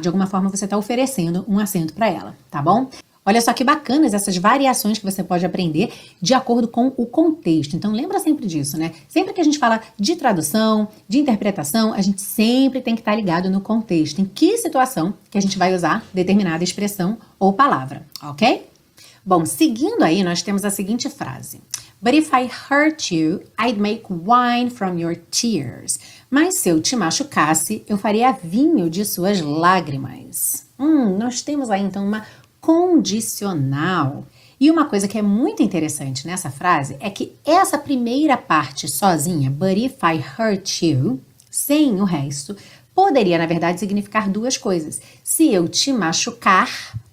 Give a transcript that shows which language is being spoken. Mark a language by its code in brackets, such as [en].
[pt] De alguma forma você está oferecendo um assento para ela, tá bom? Olha só que bacanas essas variações que você pode aprender de acordo com o contexto. Então lembra sempre disso, né? Sempre que a gente fala de tradução, de interpretação, a gente sempre tem que estar ligado no contexto, em que situação que a gente vai usar determinada expressão ou palavra, ok? Bom, seguindo aí, nós temos a seguinte frase. [en] But if I hurt you, I'd make wine from your tears. [pt] Mas se eu te machucasse, eu faria vinho de suas lágrimas. Nós temos aí então uma condicional. E uma coisa que é muito interessante nessa frase é que essa primeira parte sozinha, [en] but if I hurt you, [pt] sem o resto, poderia, na verdade, significar duas coisas. Se eu te machucar